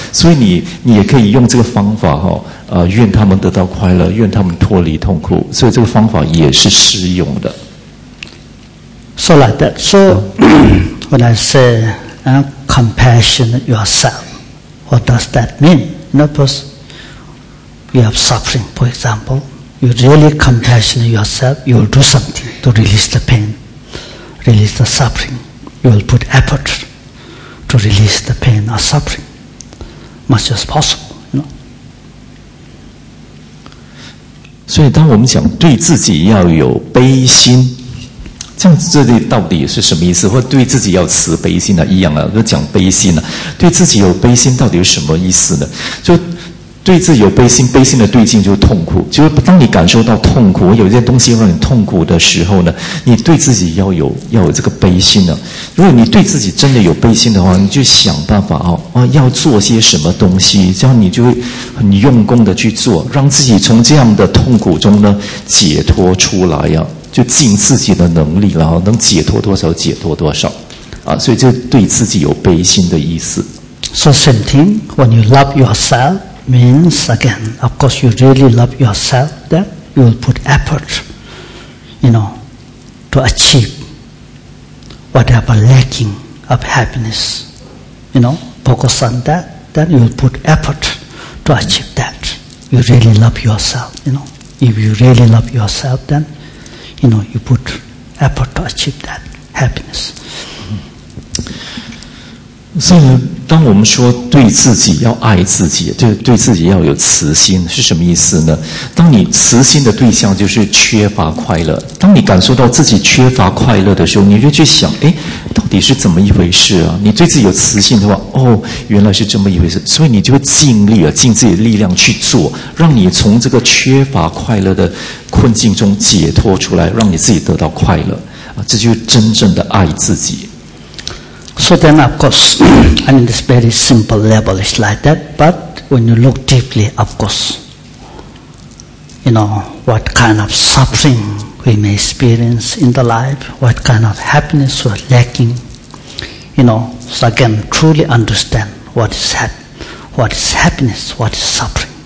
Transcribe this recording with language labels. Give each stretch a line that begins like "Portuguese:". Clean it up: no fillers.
Chinese: 所以你也可以用这个方法愿他们得到快乐，愿他们脱离痛苦，所以这个方法也是适用的。
English: So like that. So when I say compassion yourself, what does that mean? Not because you have suffering, for example. You really compassion yourself, you will do something to release the pain, release the suffering. You will put effort to release the pain or suffering much as possible. You know?
Chinese: 所以当我们讲对自己要有悲心，这里到底是什么意思？或对自己要慈悲心一样就讲悲心对自己有悲心到底有什么意思呢？就对自己有悲心，悲心的对境就是痛苦。就是当你感受到痛苦，有一些东西让你痛苦的时候呢，你对自己要有这个悲心呢。如果你对自己真的有悲心的话，你就想办法要做些什么东西，这样你就会很用功的去做，让自己从这样的痛苦中呢解脱出来就尽自己的能力，然后能解脱多少解脱多少，所以就对自己有悲心的意思。
English: So same thing, when you love yourself. Means again, of course, you really love yourself, then you will put effort, you know, to achieve whatever lacking of happiness, you know, focus on that, then you will put effort to achieve that. You really love yourself, you know. If you really love yourself, then, you know, you put effort to achieve that happiness.
Chinese: 所以当我们说对自己要爱自己，就对自己要有慈心，是什么意思呢？当你慈心的对象就是缺乏快乐，当你感受到自己缺乏快乐的时候，你就去想到底是怎么一回事你对自己有慈心的话原来是这么一回事，所以你就会尽力尽自己的力量去做，让你从这个缺乏快乐的困境中解脱出来，让你自己得到快乐这就是真正的爱自己。
English: So then, of course, I mean, this very simple level is like that, but when you look deeply, of course, you know, what kind of suffering we may experience in the life, what kind of happiness we're lacking, you know, so again, truly understand what is happiness, what is suffering.